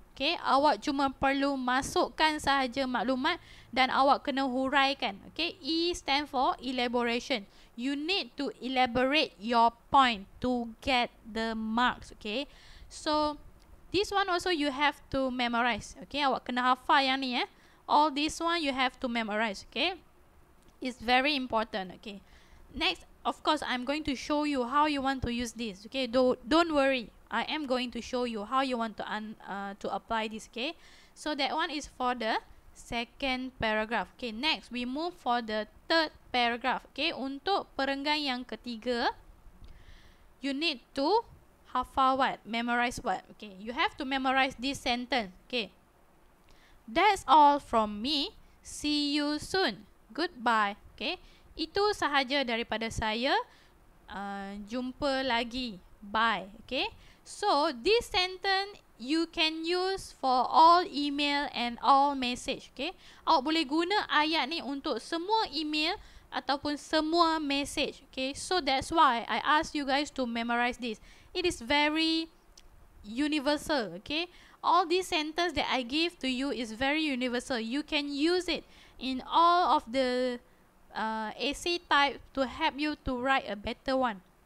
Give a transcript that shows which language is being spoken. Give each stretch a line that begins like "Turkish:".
Malay: Okay, awak cuma perlu masukkan sahaja maklumat dan awak kena huraikan.
English: Okay, E stand for elaboration. You need to elaborate your point to get the marks. Okay, so this one also you have to memorize. Okay,
Malay: awak kena hafal yang ni.
English: All this one you have to memorize. Okay, it's very important. Okay, next, of course, I'm going to show you how you want to use this. Okay, don't worry. I am going to show you how you want to to apply this. Okay, so that one is for the second paragraph. Okay, next, we move for the third paragraph. Okay,
Malay: untuk perenggan yang ketiga,
English: you need to hafal what? Memorize what? Okay, you have to memorize this sentence. Okay, that's all from me. See you soon. Goodbye.
Malay: Okay, itu sahaja daripada saya. Jumpa lagi. Bye.
English: Okay, so this sentence you can use for all email and all message.
Malay: Okay, awak boleh guna ayat ni untuk semua email ataupun semua message.
English: Okay, so that's why I ask you guys to memorize this. It is very universal. Okay, all these sentences that I give to you is very universal. You can use it in all of the essay type to help you to write a better one.